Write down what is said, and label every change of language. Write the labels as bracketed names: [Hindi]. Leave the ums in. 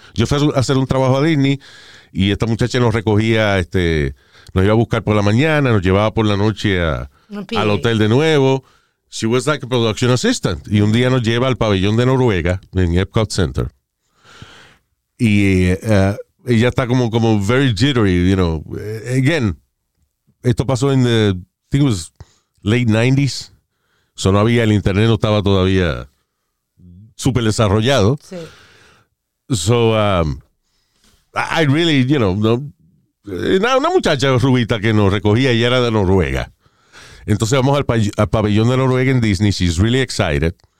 [Spanish] Yo fui a hacer un trabajo a Disney y esta muchacha nos recogía este nos iba a buscar por la mañana, nos llevaba por la noche a, no al hotel de nuevo. [English] She was like a production assistant. [Spanish] Y un día nos lleva al pabellón de Noruega, en Epcot Center. Y uh, ella está como, como [English] very jittery, you know. Again, [Spanish] esto pasó en [English] the, I think it was late 90s. [Spanish] So no había el internet, no estaba todavía súper desarrollado. Sí. So, um, [English] I really, you know, [Spanish] no, una, muchacha rubita que nos recogía y era de Noruega. Entonces vamos al, pa al, pabellón de Noruega en Disney. [English] She's really excited.